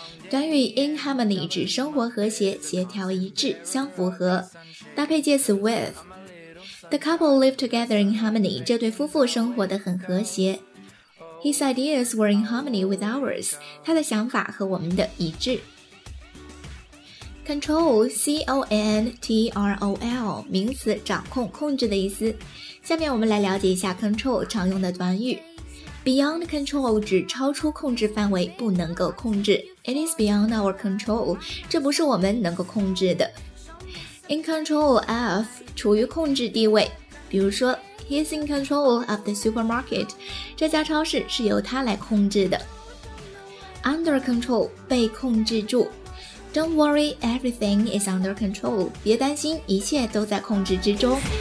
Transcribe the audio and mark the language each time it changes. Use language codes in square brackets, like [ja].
[zh] 短语 in harmony 指生活和谐协调一致相符合。搭配介词 with. [en] The couple lived together in harmony, [zh] 这对夫妇生活得很和谐。 [en] His ideas were in harmony with ours, [zh] 他的想法和我们的一致。 Control, C-O-N-T-R-O-L, 名词掌控控制的意思。下面我们来了解一下 control 常用的短语。Beyond control 指超出控制范围不能够控制。 [en] It is beyond our control, [zh] 这不是我们能够控制的。 In control of, 处于控制地位。比如说 , [en] He's in control of the supermarket, [zh] 这家超市是由他来控制的。 Under control, 被控制住。 [en] Don't worry, everything is under control. [zh] 别担心，一切都在控制之中。